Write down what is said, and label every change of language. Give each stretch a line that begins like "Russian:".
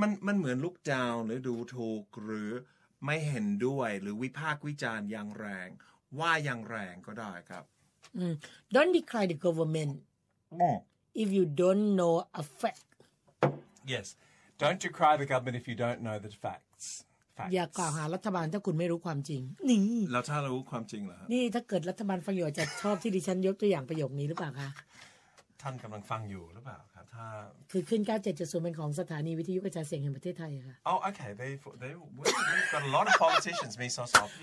Thai: มันเหมือน
English: look down
Thai: หรือดูถูกหรือไม่เห็นด้วยหรือวิพากษ์วิจารณ์อย่างแรงว่าอย่างแรงก็ได้ครับ
English: Don't decry the government if you don't know a fact. Yes, don't decry the government if you don't know the facts.
Thai: อย่ากล่าวหารัฐบาลถ้าคุณไม่รู้ความจริงนี่แล้วถ้ารู้ความจริงล่ะ นี่ถ้าเกิดรัฐบาลฟังอยู่จะชอบที่ดิฉันยกตัวอย่างประโยคนี้หรือเปล่าคะ ท่านกำลังฟังอยู่หรือเปล่าครับถ้า คือขึ้น 97.0 เป็นของสถานีวิทยุกระจายเสียงแห่งประเทศไทยค่ะ
English: อ๋อโอเค they've got a lot of politicians me so so